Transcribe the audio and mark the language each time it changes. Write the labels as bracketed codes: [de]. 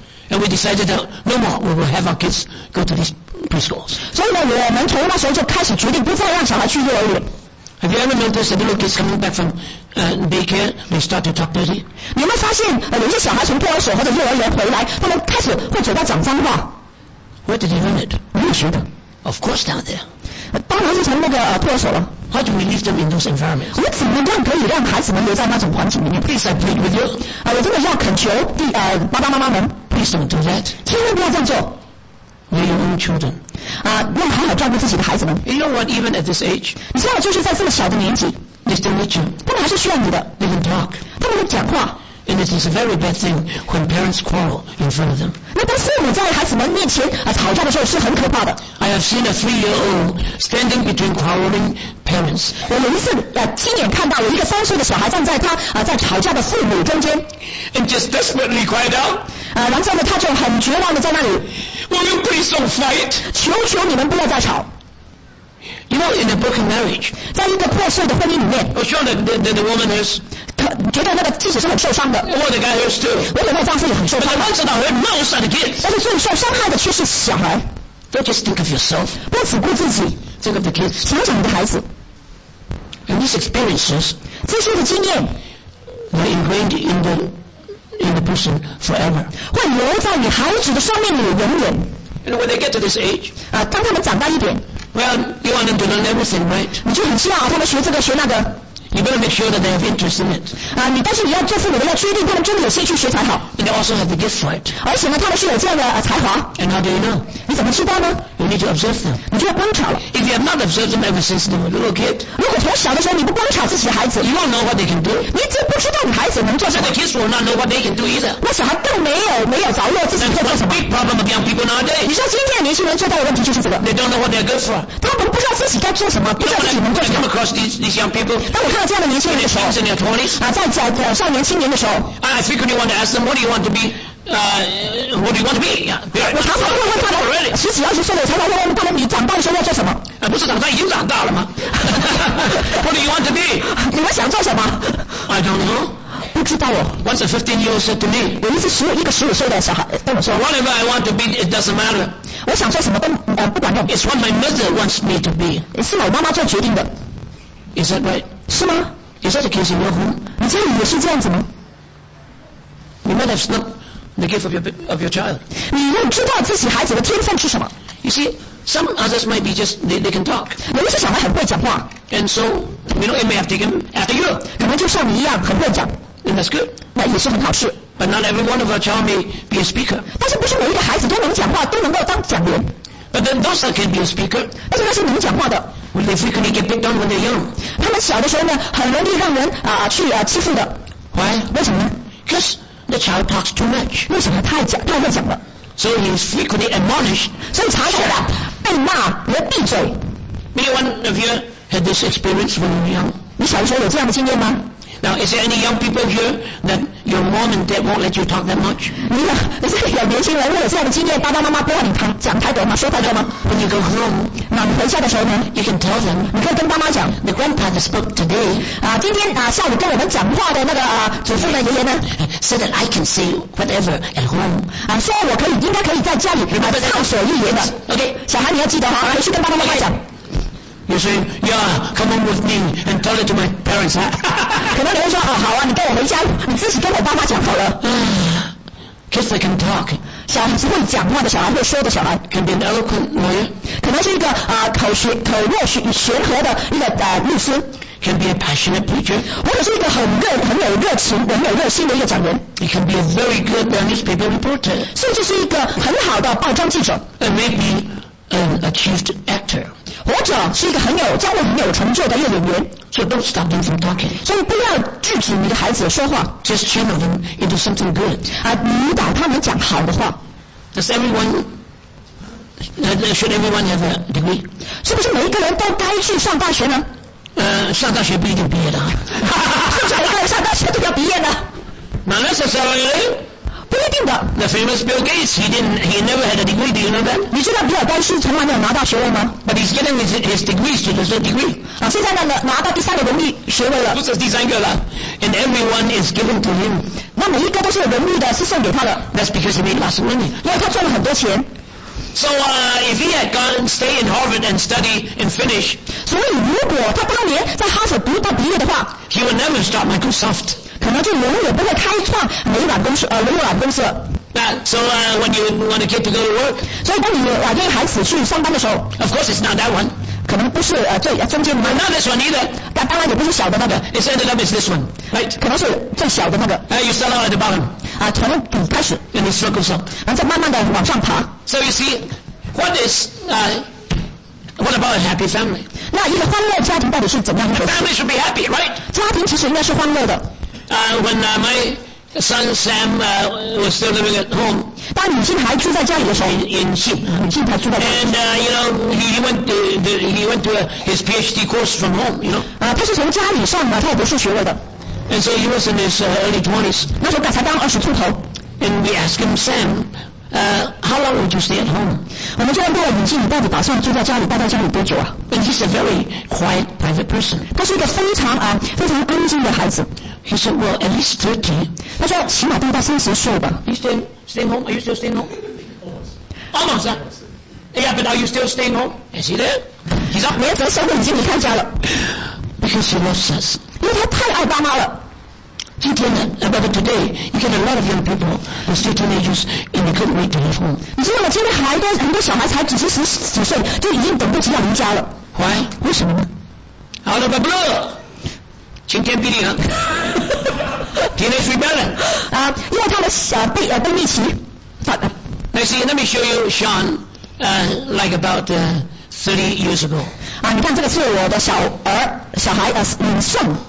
[en] And we decided that no more we will have our kids go to these preschools. [zh] 所以呢，我们从那时候就开始决定不再让小孩去幼儿园。 [en] Have you ever noticed that little kids coming back from daycare, they start to talk dirty? [zh] 你有没有发现，有些小孩从托儿所或者幼儿园回来，他们开始会嘴巴讲脏话。 [en] Where did they learn it? [zh] 没有学的。 [en] Of course, down there. [zh] 当然是从那个托儿所了。 [en] How do we leave them in those environments? [zh] 我怎么样可以让孩子们留在那种环境里面？ [en] Please, I plead with you. [zh] 我真的要恳求爸爸妈妈们。 [en] Please don't do that. [zh] 千万不要这样做。 [en] Your own children. [zh] 要好好照顾自己的孩子们。 [en] You know what? Even at this age. [zh] 你知道，就是在这么小的年纪。 [en] They still need you. [zh] 他们还是需要你的。 [en] They can talk. [zh] 他们会讲话。 [en] And it is a very bad thing when parents quarrel in front of them. [zh] 那当父母在孩子们面前吵架的时候是很可怕的。 [en] I have seen a three-year-old standing between quarreling parents. [zh] 我有一次亲眼看到有一个三岁的小孩站在他在吵架的父母中间。 [en] And just desperately cried out. [zh] 然后呢，他就很绝望的在那里。 [en] Will you please don't fight? [zh] 求求你们不要再吵。 [en] You know, in a broken marriage. [zh] 在一个破碎的婚姻里面。 [en] Oh, sure, the woman is. [zh] 觉得那个妻子是很受伤的。 [en] Oh, the guy is too. [zh] 我有那个丈夫也很受伤。 [en] But the ones that are most at the kids. [zh] 但是最受伤害的却是小孩。 [en] Don't just think of yourself. [zh] 不只顾自己。 [en] Think of the kids. [zh] 想想你的孩子。 [en] And these experiences. [zh] 这些的经验。 [en] Are ingrained in the person forever. [zh] 会留在你孩子的生命里永远。 [en] And when they get to this age. [zh] 当他们长大一点。 [en] Well, you want them to learn everything, right? [zh] 你就很希望他们学这个学那个。 [en] You better make sure that they have interest in it. [zh] 你但是你要做父母的要确定他们真的有兴趣学才好。 [en] And they also have the gift for it. [zh] 而且呢，他们是有这样的才华。 [en] And how do you know? [zh] 你怎么知道呢？ [en] You need to observe them. [zh] 你就要观察了。 [en] If you have not observed them ever since they were little kid. [zh] 如果从小的时候你不观察自己的孩子。 [en] You won't know what they can do. [zh] 你就不知道你孩子能做什么。 [en] And the kids will not know what they can do either. [zh] 那小孩更没有着落自己做什么。 [en] That's the big problem of young people nowadays. [zh] 你说今天年轻人最大的问题就是这个。 [en] They don't know what they're good for. [zh] 他们不知道自己该做什么，不知道自己能做什么。 [en] When I come across these young people. [zh] 当我看到这样的年轻人的时候。 [en] When they're in their 20s. [zh] 在走上年轻人的时候。 [en] I frequently want to ask them, what do you want to be? What do you want to be? Yeah, [zh] 我常常会问他们，十几二十岁的，常常会问他们，你长大的时候要做什么？不是长大已经长大了吗？ [en] What do you want to be? [zh] 你们想做什么？ [en] I don't know. [zh] 不知道哦。 [en] Once a 15-year-old said to me. [zh] 我一次15岁的小孩跟我说。 [en] Whatever I want to be, it doesn't matter. [zh] 我想做什么都不管用。 [en] It's what my mother wants me to be. [zh] 是我妈妈做决定的。 [en] Is that right? [zh] 是吗？ [en] Is that the case in your home? [zh] 你家里也是这样子吗？ [en] You might have snuck. The gift of your child. [zh] 你要知道自己孩子的天分是什么。 [en] You see, some others might be just they can talk. [zh] 有些小孩很会讲话。 [en] And so, you know, it may have taken after you. [zh] 可能就像你一样很会讲。 [en] And that's good. [zh] 那也是很好事。 [en] But not every one of our child may be a speaker. [zh] 但是不是每一个孩子都能讲话，都能够当讲员。 [en] But then those that can be a speaker. [zh] 但是那是能讲话的。 [en] Will they frequently get picked on when they're young? [zh] 他们小的时候呢，很容易让人欺负的。 [en] Why? [zh] 为什么呢？ [en] Because The child talks too much. [zh] 为什么太会讲了？ [en] So he is frequently admonished. [zh] 所以常常被骂，要闭嘴。 [en] Anyone of you had this experience when you were young? [zh] 你小时候有这样的经验吗？ [en] Now, is there any young people here that your mom and dad won't let you talk that much? [zh] 有年轻人会有这样的经验，爸爸妈妈不让你讲太多吗？说太多吗？ [en] When you go home, [zh] 那你回家的时候呢？ [en] You can tell them. [zh] 你可以跟爸妈讲。 [en] The grandpa that spoke today. [zh] 今天下午跟我们讲话的那个祖父呢，爷爷呢？ [en] Said that I can say whatever at home. [zh] 说我可以，应该可以在家里畅所欲言的。 [en] OK, [zh] 小孩你要记得哈，回去跟爸爸妈妈讲。 [en] You say, yeah, come on with me and tell it to my parents. [zh] 可能你会说，好啊，你跟我回家，你自己跟我爸妈讲好了。 [en] Kids that can talk. [zh] 小孩子会讲话的小孩，会说的小孩。 [en] Can be an eloquent lawyer. [zh] 可能是一个口若悬河的一个律师。 [en] Can be a passionate preacher. [zh] 或者是一个很有热情、很有热心的一个讲员。 [en] It can be a very good newspaper reporter. [zh] 甚至是一个很好的报章记者。 [en] And maybe an achieved actor. [zh] 或者是一个很有将来很有成就的一个演员。 [en] So don't stop them from talking. [zh] 所以不要制止你的孩子说话。 [en] Just channel them into something good. [zh] 引导他们讲好的话。 [en] Does everyone, should everyone have a degree? [zh] 是不是每一个人都该去上大学呢？上大学不一定毕业的。是不是每一个人上大学都要毕业呢？ [en] Not necessarily. [zh] 不一定的。 [en] The famous Bill Gates, he never had a degree, do you know that? [zh] 你知道比尔盖茨从来没有拿到学位吗？ [en] But he's getting his degrees to his degree. [zh] 现在呢，拿到第三个荣誉学位了。不是第三个了。 [en] And everyone is given to him. [zh] 那每一个都是有荣誉的，是送给他的。 [en] That's because he made lots of money. [zh] 因为他赚了很多钱。 [en] So, if he had gone, stay in Harvard and study and finish. [zh] 所以如果他当年在哈佛读到毕业的话。 [en] He would never start Microsoft. [zh] 可能就永远不会开创微软公司微软公司。 [en] When you want a kid to go to work, [zh] 所以当你要让孩子去上班的时候 [en] ，Of course it's not that one. [zh] 可可能不是最中间的。 [en] But not this one either. [zh] 但当然也不是小的那个。 [en] It's ended up as this one. Right. [zh] 可能是最小的那个。 [en] You start out at the bottom. [zh] 从底开始。 [en] And it circles up. [zh] 然后再慢慢的往上爬。 [en] So you see, what is, what about a happy family? [zh] 那一个欢乐家庭到底是怎么样的？ [en] A family should be happy, right? [zh] 家庭其实应该是欢乐的。 [en] When my son Sam was still living at home. [zh] 当母亲还住在家里的时候。 [en] In Sydney, [zh] 还住在家里。 [en] And he went to his PhD course from home, you know. [zh] 他是从家里上的，他有博士学位的。 [en] And so he was in his early twenties. [zh] 那时候才刚二十出头。 [en] And we asked him, Sam, how long would you stay at home? [zh] 我们就问他，母亲，你到底打算住在家里，待在家里多久啊？ [en] And he's a very quiet, private person. [zh] 他是一个非常安静的孩子。 [en] He said, well, at least 30. [zh] 他说起码都到三十岁吧。 [en] Are you staying home? Are you still staying home? Almost. Almost. Yeah, but are you still staying home? Is he there? He's up. [zh] 没有，他说我已经离开家了。 [en] Because he loves us. [zh] 因为他太爱爸妈了。今天呢 [en] ，about today, you get a lot of young people who still teenagers and they couldn't wait to leave home. [zh] 你知道吗？今天很多小孩才几岁，就已经等不及要离家了。 [en] Why? [zh] 为什么呢 [en] ？Out of the blue. [zh] 晴天霹雳啊 [en] ！Teenage rebellion. [zh] 因为他的叛逆期。 [en] Now see, let me show you Sean, like about 30 years ago. [zh] 你看这个是我的小孩尹顺。